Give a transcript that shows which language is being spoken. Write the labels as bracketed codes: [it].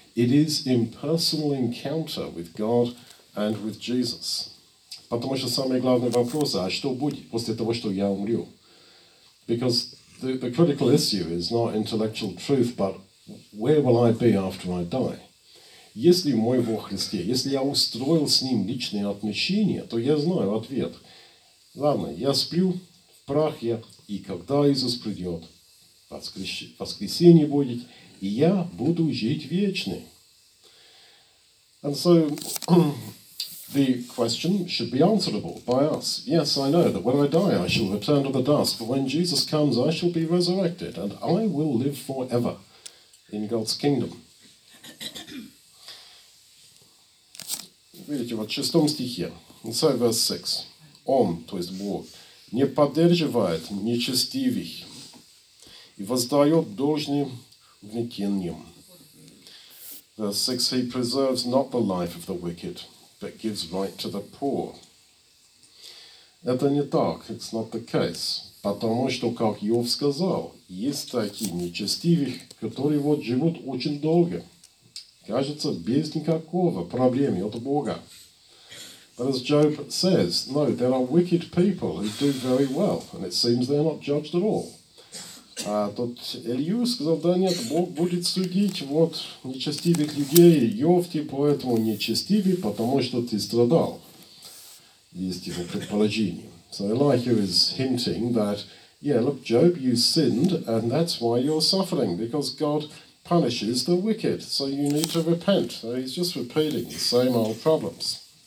[en] It is in personal encounter with God and with Jesus. [ru] Потому что самый главный вопрос, а что будет после того, что я умру? [en] Because the critical issue is not intellectual truth, but where will I be after I die? [ru] Если мой во Христе, если я устроил с ним личные отношения, то я знаю ответ. Ладно, я сплю, в прах я, и когда Иисус придет, воскресенье будет, и я буду жить вечно. [en] And so, the question should be answerable by us. Yes, I know that when I die, I shall return to the dust, but when Jesus comes, I shall be resurrected, and I will live forever in God's kingdom. [ru] Видите, вот в шестом стихе, [en] so verse 6, [ru] Он, то есть Бог, не поддерживает нечестивых и воздает должным внекинием. [en] Verse 6, He preserves not the life of the wicked, but gives right to the poor. [ru] Это не так, [en] it's not the case, [ru] потому что, как Иов сказал, есть такие нечестивые, которые вот живут очень долго. Кажется, без никакого проблемы от Бога. [en] But as Job says, no, there are wicked people who do very well, and it seems they're not judged at all. [ru] А тот Илью сказал, да нет, Бог будет судить вот нечестивых людей, Йов, поэтому нечестивый, потому что ты страдал. Есть его предположение. [en] So Elihu is hinting that, yeah, look, Job, you sinned, and that's why you're suffering, because God punishes the wicked, so you need to repent. So he's just repeating the same old problems.